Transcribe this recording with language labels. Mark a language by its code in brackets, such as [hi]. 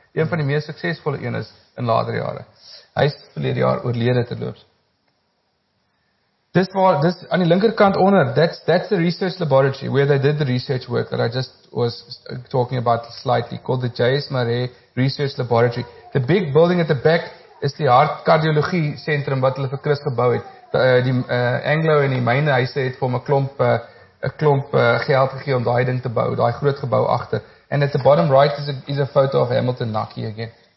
[af] Een van die meest suksesvolle een is in later jare. Hy is verlede jaar oorlede terloops. Dis aan die linkerkant onder, [en] that's the research laboratory where they did the research work that I just was talking about slightly, called the J.S. Marais Research Laboratory. The big building at the back is [af] die hartkardiologie centrum wat hulle vir Chris gebou het. Die Anglo en die myne huise het vir hom a klomp geld gegee om daai ding te bou, daai groot gebou agter. [en] And at the bottom right is a photo of Hamilton Nucky again.